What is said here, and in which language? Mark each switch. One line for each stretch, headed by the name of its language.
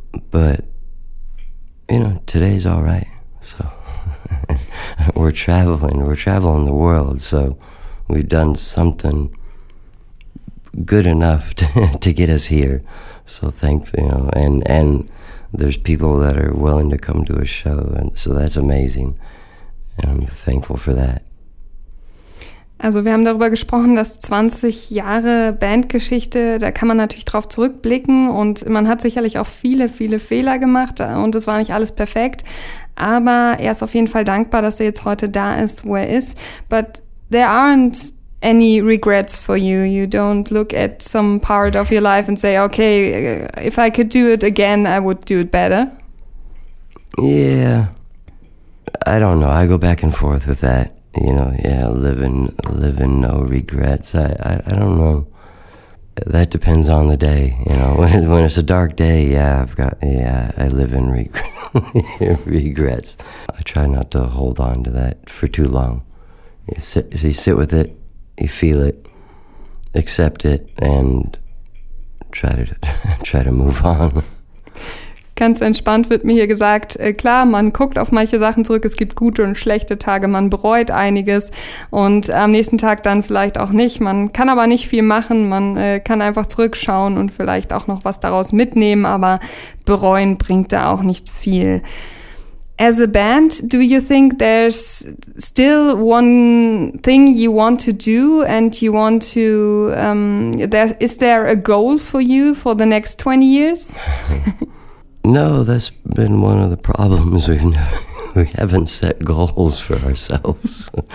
English: But, you know, today's all right, so we're traveling the world, so we've done something good enough to get us here, so thankfully, you know, and there's people that are willing to come to a show, and so that's amazing, and I'm thankful for that.
German: Also wir haben darüber gesprochen, dass 20 Jahre Bandgeschichte, da kann man natürlich drauf zurückblicken und man hat sicherlich auch viele, viele Fehler gemacht und es war nicht alles perfekt. Aber er ist auf jeden Fall dankbar, dass er jetzt heute da ist, wo er ist.
English: But there aren't any regrets for you. You don't look at some part of your life and say, okay, if I could do it again, I would do it better. Yeah, I don't know. I go back and forth with that. You know, yeah, living, no regrets. I don't know. That depends on the day. You know, when it's a dark day, yeah, I live in regrets. I try not to hold on to that for too long. You sit with it, you feel it, accept it, and try to move on.
German: Ganz entspannt wird mir hier gesagt, klar, man guckt auf manche Sachen zurück, es gibt gute und schlechte Tage, man bereut einiges und am nächsten Tag dann vielleicht auch nicht. Man kann aber nicht viel machen, man kann einfach zurückschauen und vielleicht auch noch was daraus mitnehmen, aber bereuen bringt da auch nicht viel.
English: As a band, do you think there's still one thing you want to do and you want to, is there a goal for you for the next 20 years? No, that's been one of the problems. We haven't set goals for ourselves.